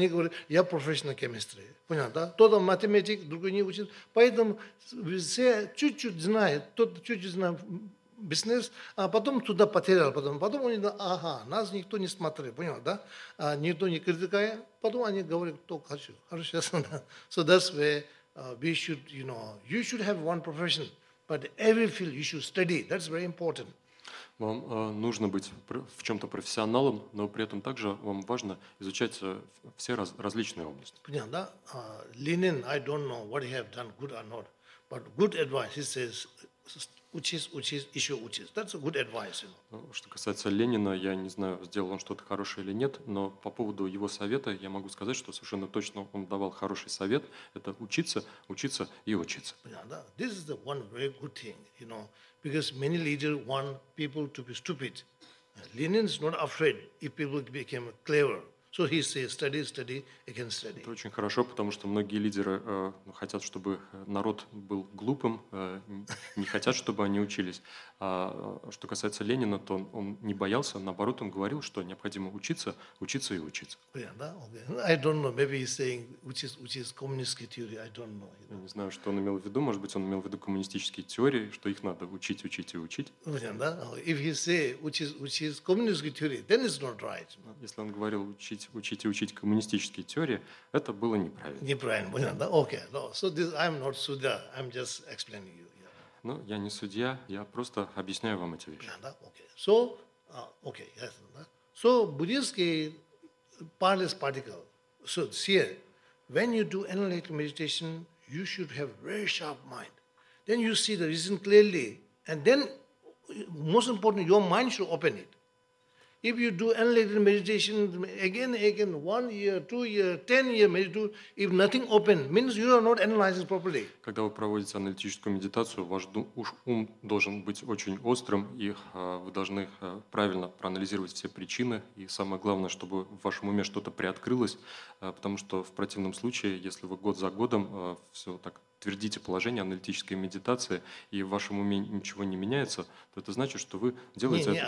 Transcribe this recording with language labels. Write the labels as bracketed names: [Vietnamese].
[Russian] Они говорят, я профессионал химии. Понял, да? Тот математик, другой не учится. Поэтому все чуть-чуть знают, тот чуть-чуть знает бизнес, а потом туда потерял. Потом они говорят, ага, нас никто не смотрел, понял, да? Никто не критикает. Потом они говорят, кто хочу. Хорошо, ясно, да? [English] So that's where we should, you know, you should have one profession. But every field you should study. That's very important. [Russian] Вам нужно быть в чем-то профессионалом, но при этом также вам важно изучать все различные области. Понятно, да? [English] Ленин, I don't know what he have done, good or not. But good advice, he says, [Russian] учись, еще учись. [English] That's a good advice. You know. [Russian] Что касается Ленина, я не знаю, сделал он что-то хорошее или нет, но по поводу его совета я могу сказать, что совершенно точно он давал хороший совет. Это учиться, учиться и учиться. Понятно, да? [English] This is the one very good thing, you know, because many leaders want people to be stupid. Ленин is not afraid if people became clever. So he says, study, study, again study. [Russian] Это очень хорошо, потому что многие лидеры хотят, чтобы народ был глупым, не хотят, чтобы они учились. А что касается Ленина, то он не боялся, наоборот, он говорил, что необходимо учиться, учиться и учиться. [English] Yeah, okay. I don't know. Maybe he's saying which is communist theory. I don't know. [Russian] Я не знаю, что он имел в виду. Может быть, он имел в виду коммунистические теории, что их надо учить, учить и учить. [English] If he say which is communist theory, then it's not right. [Russian] Если он говорил учить и учить коммунистические теории, это было неправильно. Неправильно, понятно, да? [English] Okay, no. So this, I'm not судья, I'm just explaining you. Yeah. [Russian] Ну, я не судья, я просто объясняю вам эти вещи. [English] Да, okay. So, okay, yes, да. So, буддийский parlous particle. So, see, when you do analytic meditation, you should have very sharp mind. Then you see the reason clearly, and then, most important, your mind should open it. If you do analytic meditation again, 1 year, 2 year, 10 year, maybe do, if nothing open, means you are not analyzing properly. [Russian] Когда вы проводите аналитическую медитацию, ваш ум должен быть очень острым, и вы должны правильно проанализировать все причины, и самое главное, чтобы в вашем уме что-то приоткрылось, потому что в противном случае, если вы год за годом все так твердите положение аналитической медитации, и в вашем уме ничего не меняется, то это значит, что вы делаете...